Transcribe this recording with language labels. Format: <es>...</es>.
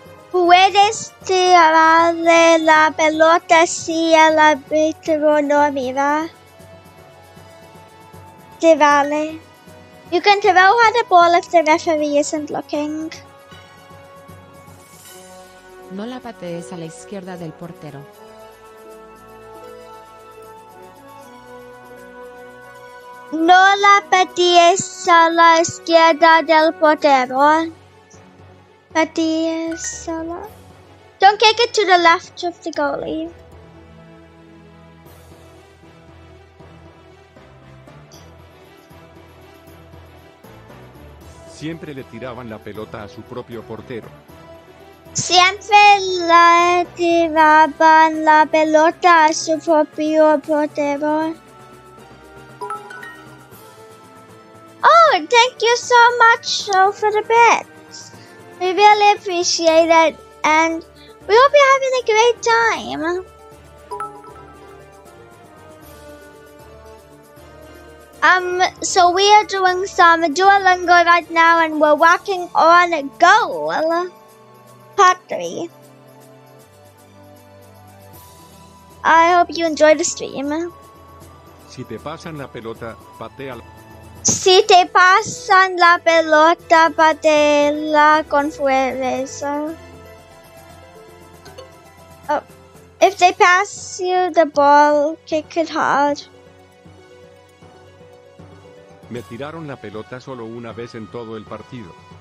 <es>Puedes tirarle la pelota si el árbitro no mira. Tirarle.</es> <en>You can throw her the ball if the referee isn't looking.</en> <es>No la patees a la izquierda del portero. No la patees a la izquierda del portero.</es> <en>Don't kick it to the left of the goalie.</en> <es>Siempre le tiraban la pelota a su propio portero. Siempre le tiraban la pelota a su propio portero.</es> <en>Oh, thank you so much for the bet. We really appreciate it, and we hope you're having a great time. So we are doing some Duolingo right now, and we're working on goal, part 3. I hope you enjoy the stream.</en> <es>Si te pasan la pelota, patea. Si te pasan la pelota, patéala con fuerza.</es> <en>Oh. If they pass you the ball, kick it hard.</en> <es>Me tiraron la pelota solo una vez en todo el partido.</es>